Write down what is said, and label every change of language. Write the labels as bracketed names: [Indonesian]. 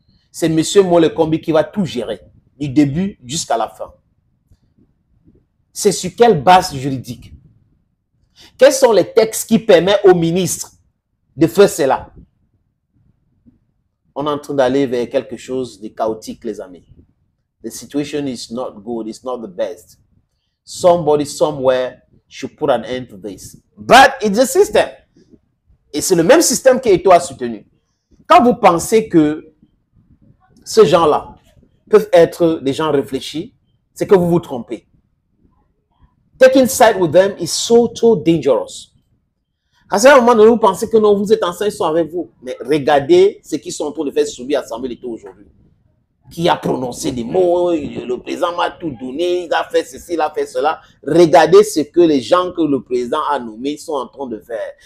[French] C'est Monsieur Moelle Ekambi qui va tout gérer, du début jusqu'à la fin. C'est sur quelle base juridique? Quels sont les textes qui permettent au ministre de faire cela? On est en train d'aller vers quelque chose de chaotique, les amis. [English] The situation is not good, it's not the best. Somebody somewhere should put an end to this. But it's a system. [French] Et c'est le même système que Eto'o a soutenu. Quand vous pensez que ces gens-là peuvent être des gens réfléchis, c'est que vous vous trompez. [English] Taking side with them is so, so dangerous. [French] À ce moment, vous pensez que non, vous êtes enceintes, ils sont avec vous. Mais regardez ce qu'ils sont en train de faire subir à Samuel Eto'o aujourd'hui. Qui a prononcé des mots, le président m'a tout donné, il a fait ceci, il a fait cela. Regardez ce que les gens que le président a nommés sont en train de faire.